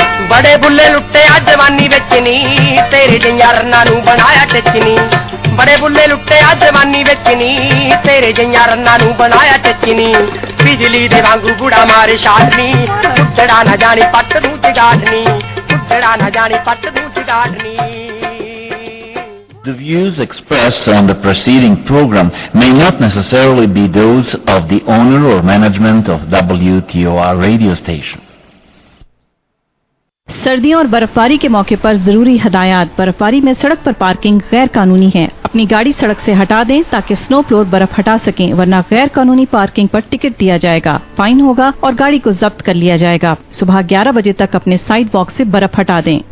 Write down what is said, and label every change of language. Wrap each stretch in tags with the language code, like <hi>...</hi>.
<pa>ਬੜੇ ਬੁੱਲੇ ਲੁੱਟੇ ਆ ਜਵਾਨੀ ਵਿੱਚ ਨੀ ਤੇਰੇ ਜਈਆਂ ਰੰਨਾਂ ਨੂੰ ਬਣਾਇਆ ਟਚਨੀ ਬੜੇ ਬੁੱਲੇ ਲੁੱਟੇ ਆ ਜਵਾਨੀ ਵਿੱਚ ਨੀ ਤੇਰੇ ਜਈਆਂ ਰੰਨਾਂ ਨੂੰ ਬਣਾਇਆ ਟਚਨੀ ਬਿਜਲੀ ਦੇ ਵਾਂਗੂ ਬੁੜਾ ਮਾਰੇ ਸ਼ਾਟਨੀ ਟੁੱਟੜਾ ਨਾ ਜਾਣੀ ਪੱਟ ਦੂ ਜਗਾਟਨੀ ਟੁੱਟੜਾ ਨਾ ਜਾਣੀ ਪੱਟ ਦੂ ਜਗਾਟਨੀ</pa> <en>The views expressed on the preceding program may not necessarily be those of the owner or management of WTOR radio station.</en> <ur>سردیوں اور برفباری کے موقع پر ضروری ہدایات برفباری میں سڑک پر پارکنگ غیر قانونی ہے اپنی گاڑی سڑک سے ہٹا دیں تاکہ سنو پلور برف ہٹا سکیں ورنہ غیر قانونی پارکنگ پر ٹکٹ دیا جائے گا فائن ہوگا اور گاڑی کو ضبط کر لیا جائے گا صبح 11 بجے تک اپنے سائیڈ واک سے برف ہٹا دیں</ur>